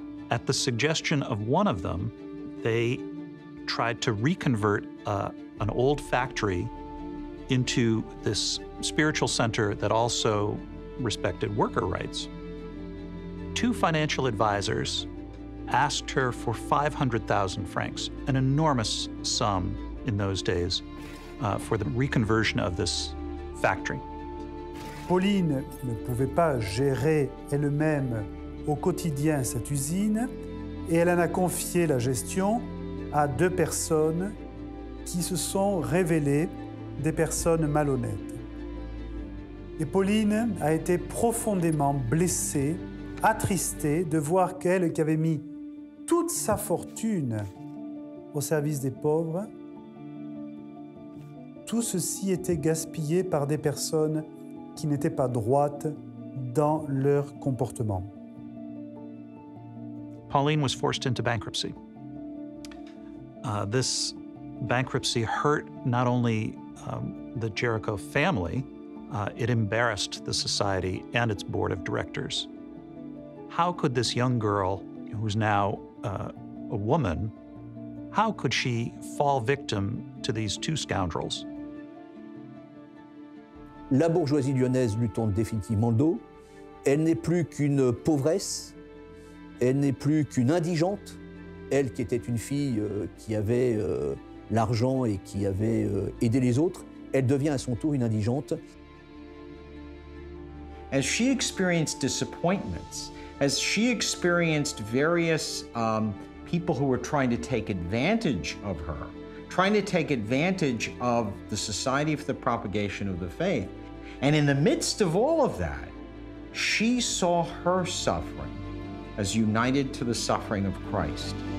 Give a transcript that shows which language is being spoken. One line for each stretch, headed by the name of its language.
English: At the suggestion of one of them, they tried to reconvert an old factory into this spiritual center that also respected worker rights. Two financial advisors asked her for 500,000 francs, an enormous sum in those days, for the reconversion of this factory.
French: Pauline ne pouvait pas gérer elle-même au quotidien cette usine, et elle en a confié la gestion à deux personnes qui se sont révélées des personnes malhonnêtes. Et Pauline a été profondément blessée, attristée de voir qu'elle, qui avait mis toute sa fortune au service des pauvres, tout ceci était gaspillé par des personnes qui n'étaient pas droites dans leur comportement.
English: Pauline was forced into bankruptcy. This bankruptcy hurt not only the Jaricot family, it embarrassed the society and its board of directors. How could this young girl, who's now a woman, how could she fall victim to these two scoundrels?
French: La bourgeoisie lyonnaise lui tombe définitivement le dos. Elle n'est plus qu'une pauvresse. Elle n'est plus qu'une indigente. Elle qui était une fille qui avait l'argent et qui avait aidé les autres, elle devient à son tour une indigente.
English: As she experienced disappointments, as she experienced various people who were trying to take advantage of her, trying to take advantage of the Society for the Propagation of the Faith, and in the midst of all of that, she saw her suffering as united to the suffering of Christ.